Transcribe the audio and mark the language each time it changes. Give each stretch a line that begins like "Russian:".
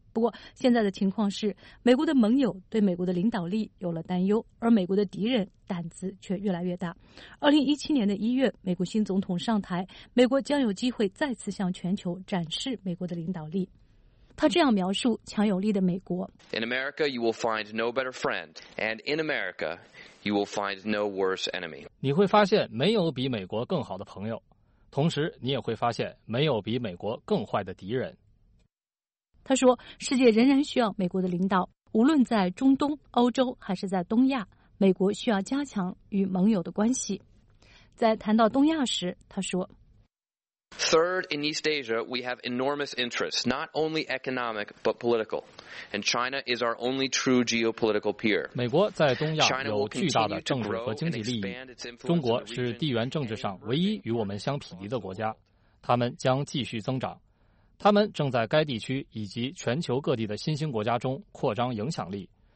Chinese: 不过现在的情况是，美国的盟友对美国的领导力有了担忧，而美国的敌人胆子却越来越大。 2017年的1月，美国新总统上台，美国将有机会再次向全球展示美国的领导力。他这样描述强有力的美国。
English: In America you will find no better friend, and in America you will find no worse enemy.
Chinese: 你会发现没有比美国更好的朋友，同时你也会发现没有比美国更坏的敌人。他说，世界仍然需要美国的领导，无论在中东、欧洲还是在东亚，美国需要加强与盟友的关系。在谈到东亚时，他说，
English: Third, in East Asia, we have enormous interests, not only economic, but political. And China is our only true geopolitical peer.
Chinese: 美国在东亚有巨大的政治和经济利益，中国是地缘政治上唯一与我们相匹敌的国家，他们将继续增长。他们正在该地区以及全球各地的新兴国家中扩张影响力。